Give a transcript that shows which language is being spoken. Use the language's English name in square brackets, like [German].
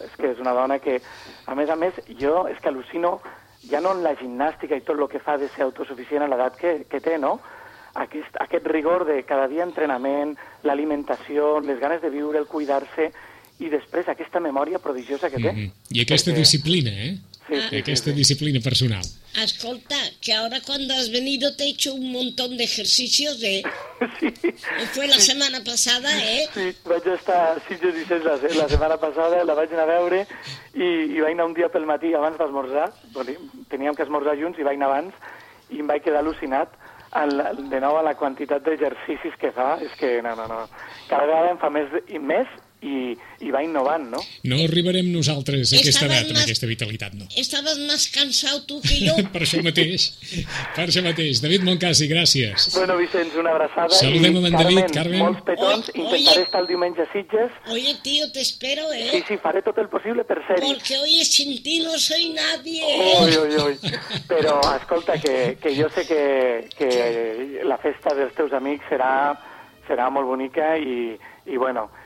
[Catalan] És que és una dona que, a més, jo és que al·lucino, ja no en la gimnàstica i tot el que fa de ser autosuficient a l'edat que té, no? Aquest rigor de cada dia entrenament, l'alimentació, les ganes de viure, el cuidar-se, i després aquesta memòria prodigiosa que té. Mm-hmm. I aquesta perquè... disciplina, eh? Sí, aquesta sí, sí. Disciplina personal. [Spanish] Escolta, que ahora cuando has venido te he hecho un montón de ejercicios, ¿eh? Sí. Fue la semana pasada, ¿eh? [Catalan] Sí, vaig estar, sí, jo dices, la semana passada la vaig anar a veure i vaig anar un dia pel matí abans d'esmorzar, teníem que esmorzar junts i vaig anar abans i em vaig quedar al·lucinat de nou a la quantitat d'exercicis que fa. És que no. Cada vegada em fa més i més. I va innovant, no? No arribarem nosaltres a aquesta edat, amb aquesta vitalitat, no. Estaves més cansat tu que jo. Per això mateix. Per això mateix. David Moncasi, gràcies. Bueno, Vicenç, una abraçada. Saludem en David, Carmen. Molts petons. Intentaré estar el diumenge a Sitges. [Spanish] Oye, tío, te espero, eh? [Catalan] Sí, sí, faré tot el possible per ser-hi. [Spanish] Porque, oye, sin ti no soy nadie. [Catalan] Oi. Però, escolta, que jo sé que la festa dels teus amics serà molt bonica i bueno...